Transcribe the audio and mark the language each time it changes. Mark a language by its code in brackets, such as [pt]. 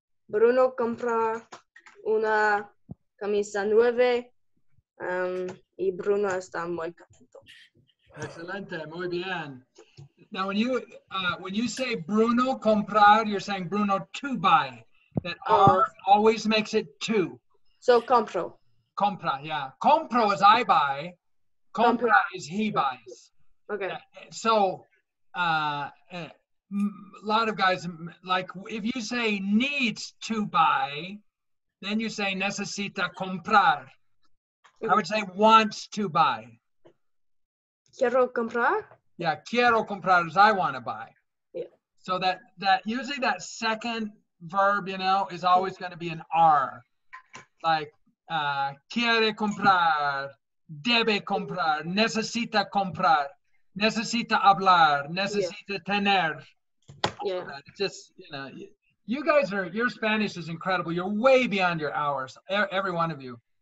[es] Bruno compra una camisa nueva, y Bruno está muy contento. Excelente, muy bien. [en] Now, when you say Bruno comprar, you're saying Bruno to buy. That always makes it to. [es] So compro. [en] Compra, yeah. Compro is I buy. Compra is he buys. Okay. So a lot of guys, like if you say needs to buy, then you say [es] necesita comprar. [en] Okay. I would say wants to buy. [es] Quiero comprar? [en] Yeah, [es] quiero comprar [en] is I want to buy. Yeah. So that usually that second verb, you know, is always going to be an R. [es] Like, quiere comprar, debe comprar, necesita comprar, necesita hablar, necesita tener. [en] Yeah. It's just, you know, you guys are, your Spanish is incredible. You're way beyond your hours, every one of you.